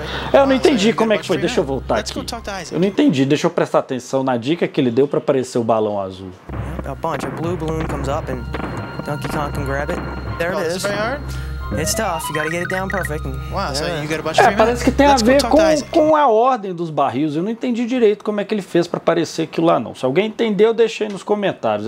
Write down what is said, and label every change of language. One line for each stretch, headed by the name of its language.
Portuguese: Eu não entendi como é que foi, deixa eu voltar aqui. Eu não entendi, deixa eu prestar atenção na dica que ele deu pra aparecer o balão azul.
English: A bunch of blue balloon comes up and Donkey Kong can grab it. There it is. It's tough, you gotta get it down perfect. Wow, so you got a bunch of free men.
Portuguese: Parece que tem a ver com a ordem dos barris. Eu não entendi direito como é que ele fez pra aparecer aquilo lá não. Se alguém entendeu, deixa aí nos comentários.